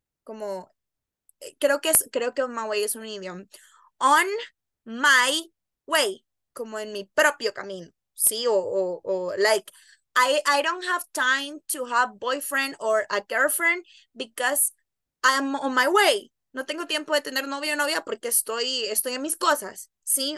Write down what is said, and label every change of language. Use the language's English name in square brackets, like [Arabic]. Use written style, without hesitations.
[Spanish] Como, creo que [English] on my way [Spanish] es un idioma. [English] On my way, [Spanish] como en mi propio camino, ¿sí? O like... [English] I don't have time to have boyfriend or a girlfriend because I'm on my way. [Spanish] No tengo tiempo de tener novio o novia porque estoy en mis cosas, ¿sí?